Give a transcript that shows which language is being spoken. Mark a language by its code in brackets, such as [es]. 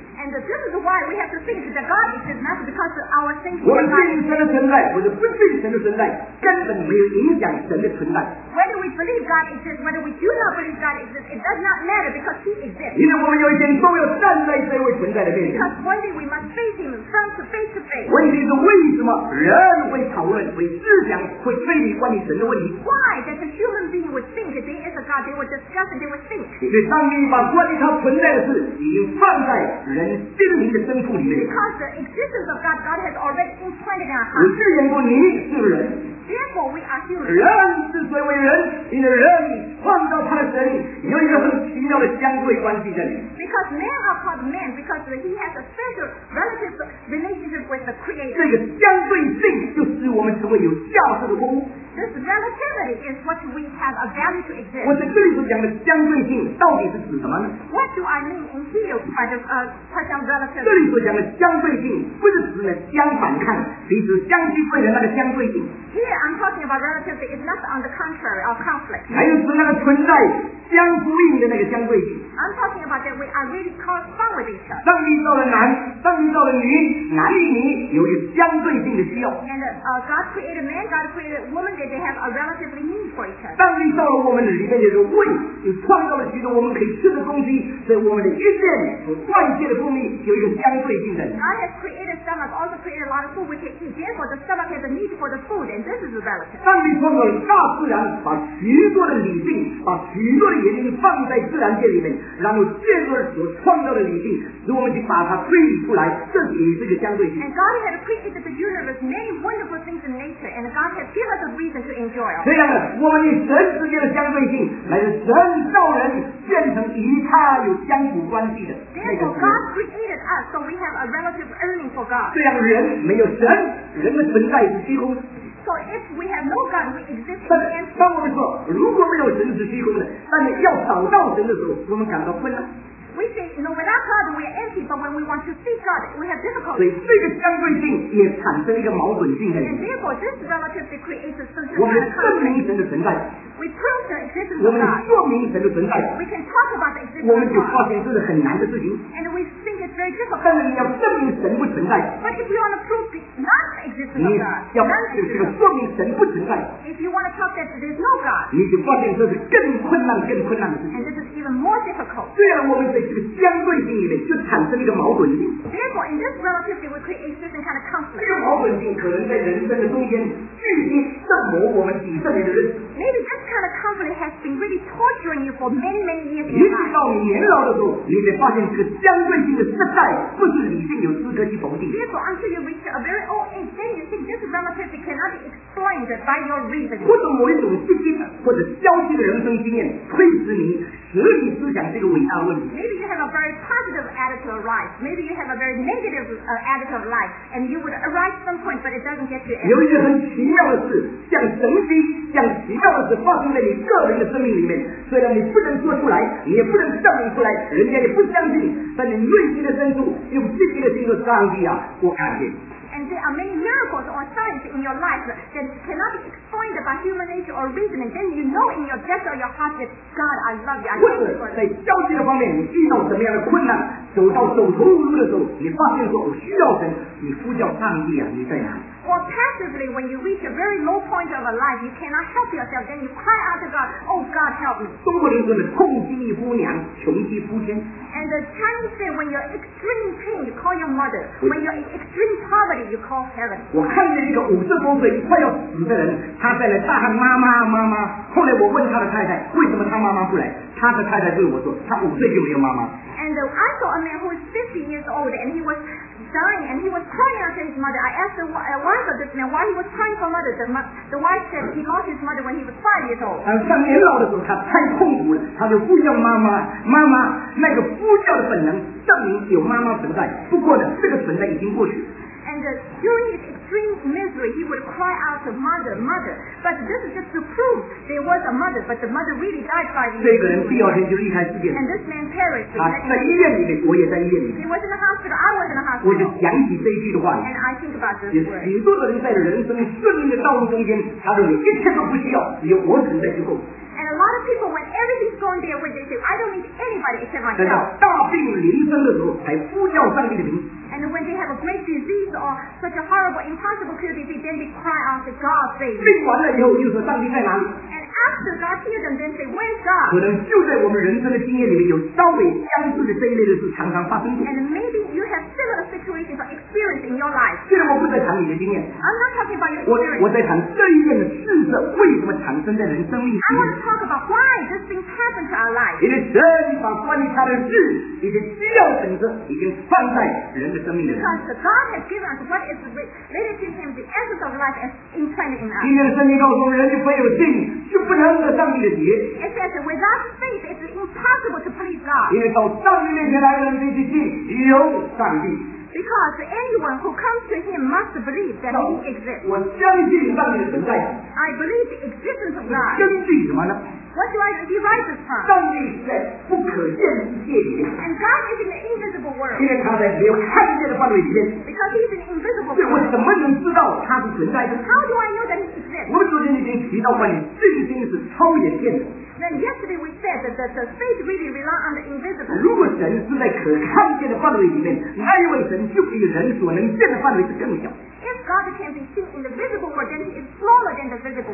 [en] And this is why we have to think that God exists not because of our thinking. [zh] 我信神的存在，或者不信神的存在，根本没有影响神的存在。 [en] Whether we believe God exists, whether we do not believe God exists, it does not matter because He exists. [zh] 因为我们有一天都要站在这位存在的面前。 [en] Because one day we must face Him front to face to face. [zh] 问题是为什么人会讨论，会思想，会推理关于神的问题 [en] ？Why does a human being would think that there is a God? They would discuss and they would think. [zh] 因为上帝把关于他存在的事已经放在人。心灵的深处里面。 [en] Because the existence of God, God has already implanted in our hearts. [zh] 我誓言过，你是人。 [en] Therefore, we are human. [zh] 人之所以为人，因为人创造他的神，有一个很奇妙的相对关系在里面。 [en] Because men are called men because he has a special relative relationship with the Creator. [zh] 这个相对性就使我们成为有价值的物。 [en] This relativity is what we have a value to exist. [zh] 我在这里所讲的相对性到底是指什么呢 [en] ？What do I mean in here by the relativity? [zh] 这里所讲的相对性不是指呢相反看，彼此相距不远那个相对性。 [en] Here I'm talking about relativity. It's not on the contrary or conflict. [zh] 还有指那个存在相呼应的那个相对性。 [en] I'm talking about that we are really correspond with each other. [zh] 上帝造了男，上帝造了女，男与女有一个相对性的需要。 [en] And God created man, God created woman. That they have a relatively need for each other. [zh] 上帝造了我们里面有个胃，又创造了许多我们可以吃的东西，所以我们的一切所外界的供应有一个相对性的。 [en] God has created stomach, also created a lot of food we can eat. Therefore, the stomach has a need for the food, and this is a relative. [zh] 上帝创造了大自然，把许多的理性，把许多的原因放在自然界里面，然后借助所创造的理性，使我们去把它推理出来，这也是一个相对性。 [en] And God has created the universe many wonderful things in nature, and God has given us reason to enjoy. [zh] 这样的，我们与神之间的相对性，乃是神造人变成与他有相处关系的。 [en] Therefore, God created us, so we have a relative earning for God. [zh] 这样人没有神，人的存在是虚空。 [en] So if we have no God, we exist. [zh] 但是，当我们说如果没有神是虚空的，但是要找到神的时候，我们感到困难。 [en] We say, you know, without God, we are empty, but when we want to seek God, we have difficulty. [zh] 所以这个相对性也产生一个矛盾性在里面。 [en] And therefore, this relative creates a sense of [zh] 我们证明神的存在。 [en] We prove the existence of God. [zh] 我们说明神的存在。 [en] We can talk about the existence of God. [zh] 我们就发现这是很难的事情。 [en] And we think it's very difficult. [zh] 但是你要证明神不存在。 [en] But if you want to prove the not the existence of God, [zh] 你要这个说明神不存在。 [en] If you want to talk that there's no God, [zh] 你就发现这是更困难的事情。 [en] And this is even more difficult. [zh] 对啊，我们在这个相对性里面就产生一个矛盾性。 [en] Therefore, in this relativity, we create a certain kind of conflict. [zh] 这个矛盾性可能在人生的中间聚集折磨我们几十年的人。 [en] Maybe this kind of conflict has been really torturing you for many, many years. [zh] 一直到你年老的时候，你才发现这个相对性的失败不是理性有资格去否定。 [en] Therefore, until you reach a very old age, then you think this is relative it cannot be explained by your reasoning. [zh] 或者某一种信心或者消极的人生经验推使你使你思想这个伟大的问题。 [en] Maybe you have a very positive attitude of life. Maybe you have a very negative attitude of life, and you would arrive at some point, but it doesn't get you anywhere. [zh] 有一件很奇妙的事，像神经，像奇妙的事发生在你个人的生命里面。虽然你不能说出来，你也不能证明出来，人家也不相信，但你内心的深处用自己的心说：“上帝啊，我看见。” [en] And there are many miracles or signs in your life that cannot be explained by human nature or reasoning. Then you know in your depth or your heart that God, I love you. [zh] 或者在消极的方面，你遇到什么样的困难，走到走投无路的时候，你发现说我需要神，你呼叫上帝啊，你在哪里？ [en] Or passively, when you reach a very low point of a life, you cannot help yourself, then you cry out to God, Oh God, help me. [zh] 中国人说的痛经一呼娘，穷极呼天。 [en] And the Chinese say, when you're in extreme pain, you call your mother. When you're in extreme poverty, you call heaven. [zh] 我看见一个五十多岁快要死的人，他在那大喊妈妈妈妈。后来我问他的太太，为什么他妈妈不来？他的太太对我说，他五岁就没有妈妈。 [en] And I saw a man who was 50 years old, and he was dying, and he was crying out to his mother. I asked the wife of this man why he was crying for mother. The wife said he lost his mother when he was 5 years old. [zh] 像年老的时候，他太痛苦了，他就呼叫妈妈，妈妈，那个呼叫的本能证明有妈妈存在。不过呢，这个存在已经过去。 [en] And during his extreme misery, he would cry out to mother, mother. But this is just to prove there was a mother, but the mother really died 5 years [zh] 这个人第二天就离开世界。 [en] And this man perished. [zh] 他在医院里面，我也在医院里面。 [en] He was in the hospital. I was in the hospital. [zh] 我就想起这一句的话。 [en] And I think about this word. [zh] 许多的人在人生顺利的道路中间，他说一切都不需要，只有我存在就够。 [en] And a lot of people, when everything's going their way, they say, I don't need anybody except myself. [zh] 等到大病临身的时候，才呼叫上帝的名。 [en] And when they have a great disease or such a horrible, impossible cure disease, then they cry out to God, say, [zh] 病完了以后，又说上帝在哪里？ [en] After God healed them, then say, Where's God? [zh] 可能就在我们人生的经验里面，有稍微相似的这一类的事常常发生过。 [en] And maybe you have similar situations or experience in your life. [zh] 现在我不在谈你的经验。 [en] I'm not talking about your experience. [zh] 我在谈这一类的事实为什么产生在人生里面。 [en] I want to talk about why this thing happened to our life. [zh] 一些神把关于他的事，一些需要神的，已经放在人的生命里面。 [en] Because God has given us what is related to Him, the essence of life is implanted in us. [zh] 今天的圣经告诉我们，人就没有信就不能得上帝的节。 [en] It says without faith, it's impossible to please God. [zh] 因为到上帝面前来的人必须信有上帝。 [en] Because anyone who comes to Him must believe that He exists. [zh] 我相信上帝的存在。 [en] I believe the existence of God. [zh] 根据什么呢？ [en] What do I derive this from? [zh] 上帝在不可见的世界里面。 [en] And God is in the invisible world. [zh] 因为他在没有看见的范围里面。 [en] Because He is an invisible world. [zh] 我怎么能知道他是存在的？ [en] How do I know that He exists? [zh] 我们昨天已经提到关于信心是超眼见的。 [en] Then yesterday we said that the faith really rely on the invisible. [zh] 如果神是在可看见的范围里面，那一位神就比人所能见的范围是更小。 [en] If God can be seen in the visible world, then He is smaller than the visible.